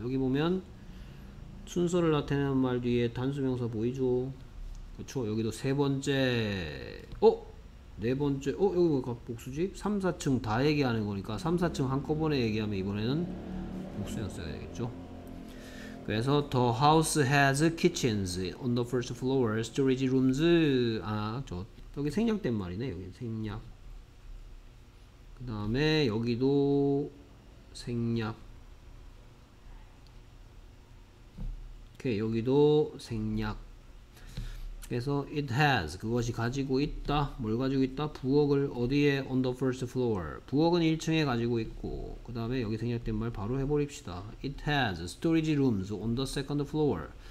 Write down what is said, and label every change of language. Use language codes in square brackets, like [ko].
[ko] 여기 보면 순서를 나타내는 말 뒤에 단수명사 보이죠? 그렇죠? 여기도 세 번째, 어? 네 번째, 어? 여기 뭐가 복수지? 3, 4층 다 얘기하는 거니까 3, 4층 한꺼번에 얘기하면 이번에는 복수형 써야 되겠죠? [en] 그래서 the house has kitchens on the first floor, storage rooms. [ko] 아, 저 여기 생략된 말이네. 여기 생략. 그 다음에 여기도 생략. 오케이, 여기도 생략. 그래서 [en] it has [ko] 그것이 가지고 있다. 뭘 가지고 있다? 부엌을 어디에? [en] on the first floor. [ko] 부엌은 1층에 가지고 있고 그 다음에 여기 생략된 말 바로 해버립시다. [en] it has storage rooms on the second floor.